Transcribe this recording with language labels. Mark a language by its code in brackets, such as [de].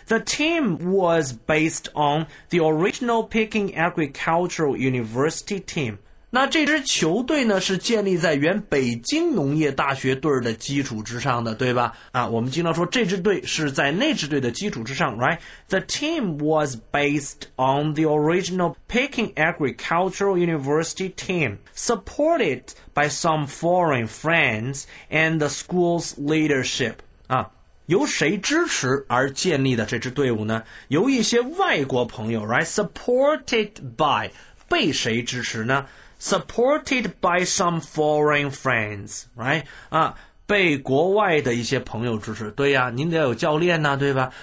[en] The team was based on the original Peking Agricultural University team. [zh] 那这支球队呢，是建立在原北京农业大学队的基础之上的，对吧？啊，我们经常说这支队是在那支队的基础之上 ， [en] right? The team was based on the original Peking Agricultural University team, supported. By some foreign friends and the school's leadership. [zh] 啊，由谁支持而建立的这支队伍呢？由一些外国朋友 ， [en] right? Supported by [zh] 被谁支持呢 ？ [en] Supported by some foreign friends, right? [zh] 啊，被国外的一些朋友支持。对呀，您得有教练呐，对吧？